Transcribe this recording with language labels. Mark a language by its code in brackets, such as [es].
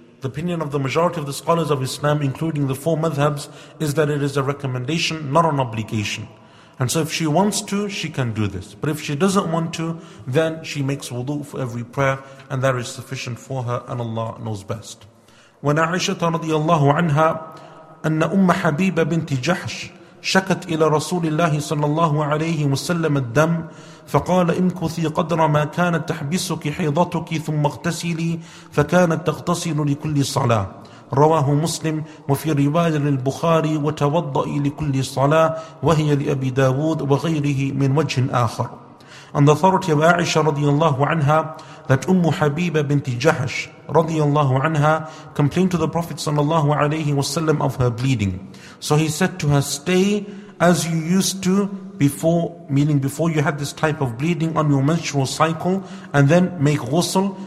[en] The opinion of the majority of the scholars of Islam, including the four madhabs, is that it is a recommendation, not an obligation. And so if she wants to, she can do this. But if she doesn't want to, then she makes wudu for every prayer, and that is sufficient for her, and Allah knows best. [ar] When Aisha radiallahu anha, أن أم حبيبة بنت جحش شكت إلى رسول الله صلى الله عليه وسلم الدم فقال امكثي قدر ما كانت تحبسك حيضتك ثم اغتسلي فكانت تغتسل لكل صلاة رواه مسلم وفي رواية للبخاري وتوضئي لكل صلاة وهي لأبي داود وغيره من وجه آخر. [en] On the authority of Aisha radiallahu anha, that Umm Habiba bint Jahash radiallahu anha complained to the Prophet sallallahu alayhi wasallam of her bleeding. So he said to her, stay as you used to before, meaning before you had this type of bleeding on your menstrual cycle, and then make ghusl.